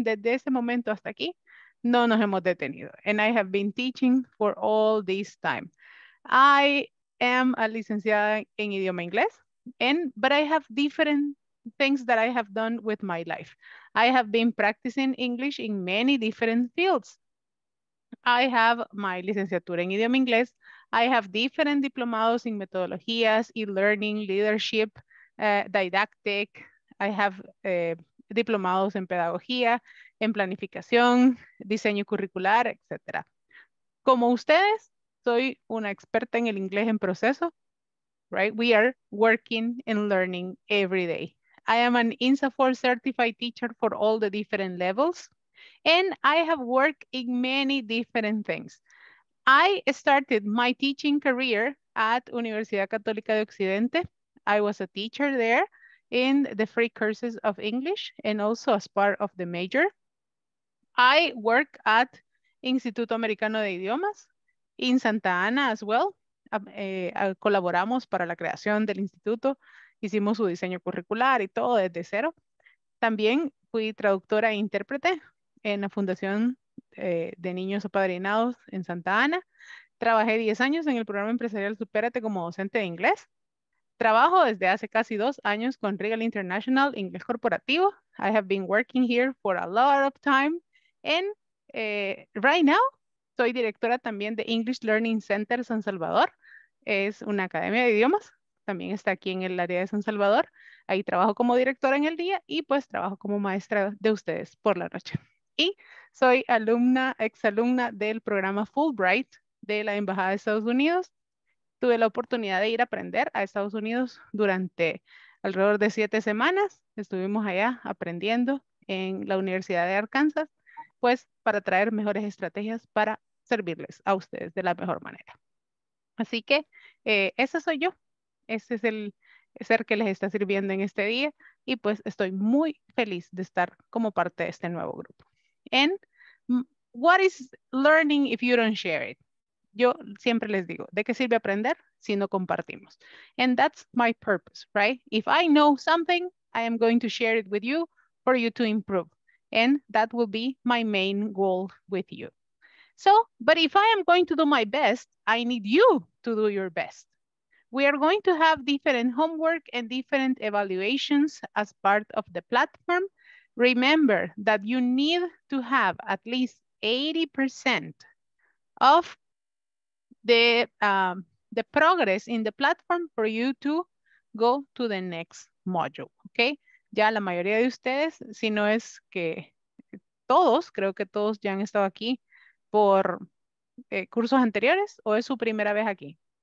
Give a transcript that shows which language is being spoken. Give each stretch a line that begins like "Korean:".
Spanish: Desde ese momento hasta aquí, no nos hemos detenido.
English: And I have been teaching for all this time. I am a
Spanish: licenciada en idioma inglés.
English: But I have different things that I have done with my life. I have been practicing English in many different fields. I have my
Spanish: licenciatura en idioma inglés.
English: I have different diplomados in metodologías, e-learning, leadership, didactic. I have
Spanish: diplomados en pedagogía, en planificación, diseño curricular, etc. Como ustedes, soy una experta en el inglés en proceso.
English: Right, we are working and learning every day. I am an INSAFOR certified teacher for all the different levels, and I have worked in many different things. I started my teaching career at Universidad Católica de Occidente. I was a teacher there in the free courses of English and also as part of the major. I work at Instituto Americano de Idiomas in Santa Ana as well.
Spanish: Colaboramos para la creación del instituto, hicimos su diseño curricular y todo desde cero. También fui traductora e intérprete en la Fundación de Niños Apadrinados en Santa Ana. Trabajé 10 años en el programa empresarial Supérate como docente de inglés. Trabajo desde hace casi 2 años con REGA International Inglés Corporativo.
English: I have been working here for a lot of time. And right now,
Spanish: soy directora también de English Learning Center San Salvador. Es una academia de idiomas. También está aquí en el área de San Salvador. Ahí trabajo como directora en el día y pues trabajo como maestra de ustedes por la noche. Y soy alumna, exalumna del programa Fulbright de la Embajada de Estados Unidos. Tuve la oportunidad de ir a aprender a Estados Unidos durante alrededor de 7 semanas. Estuvimos allá aprendiendo en la Universidad de Arkansas, pues para traer mejores estrategias para servirles a ustedes de la mejor manera. Así que esa soy yo. Ese es el ser que les está sirviendo en este día. Y pues estoy muy feliz de estar como parte de este nuevo grupo.
English: And what is learning if you don't share it?
Spanish: Yo siempre les digo, ¿de qué sirve aprender si no compartimos?
English: And that's my purpose, right? If I know something, I am going to share it with you for you to improve. And that will be my main goal with you. So, but if I am going to do my best, I need you to do your best. We are going to have different homework and different evaluations as part of the platform. Remember that you need to have at least 80% of the progress in the platform for you to go to the next module, okay?
Spanish: Ya la mayoría de ustedes, si no es que todos, creo que todos ya han estado aquí por cursos anteriores, ¿o es su primera vez aquí?